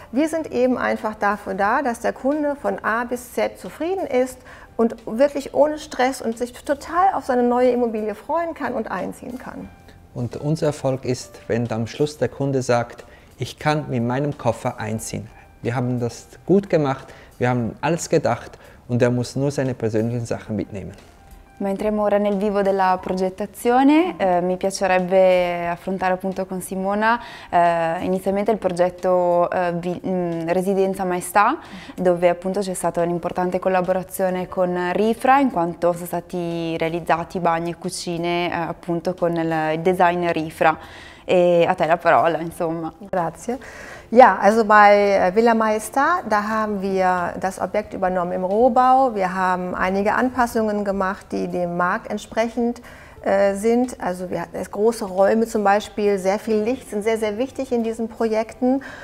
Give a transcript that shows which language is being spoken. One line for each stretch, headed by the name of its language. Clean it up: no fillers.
German: Wir sind eben einfach dafür da, dass der Kunde von A bis Z zufrieden ist und wirklich ohne Stress und sich total auf seine neue Immobilie freuen kann und einziehen kann. Und unser Erfolg ist, wenn am Schluss der Kunde sagt, ich kann mit meinem Koffer einziehen. Wir haben das gut gemacht, wir haben alles gedacht und er muss nur seine persönlichen Sachen mitnehmen.
Italian: Ma entriamo ora nel vivo della progettazione. Mi piacerebbe affrontare appunto con Simona inizialmente il progetto Residenza Maestà, dove appunto c'è stata un'importante collaborazione con Rifra, in quanto sono stati realizzati bagni e cucine appunto con il design Rifra. E a te la parola, insomma. Grazie.
German: Ja, also bei Villa Maestà, da haben wir das Objekt übernommen im Rohbau. Wir haben einige Anpassungen gemacht, die dem Markt entsprechend sind. Also wir hatten große Räume zum Beispiel, sehr viel Licht sind sehr, sehr wichtig in diesen Projekten.